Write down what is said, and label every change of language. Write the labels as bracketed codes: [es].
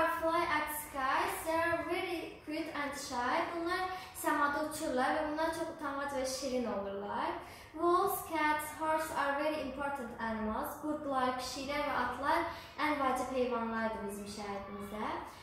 [en] MİPEMs are fly at skies, they are very cute and shy. [az] Bunlar səmada uçurlar və bunlar çox utanmaz və şirin olurlar. [en] Wolves, cats, horses are very important animals. [az] Qurdlar, pişiklər və atlar ən vacib heyvanlardır bizim şəhərimizdə.